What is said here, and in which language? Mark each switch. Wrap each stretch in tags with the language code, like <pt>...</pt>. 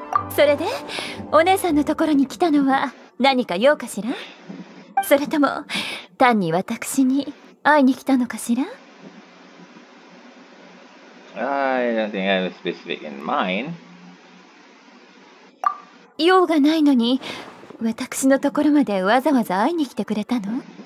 <ja>それで、お姉さんのところに来たのは何か用かしら？それとも、単に私に会いに来たのかしら？</ja> <en>I don't think I have a specific in mind.</en> <ja>用がないのに、私のところまでわざわざ会いに来てくれたの？</ja>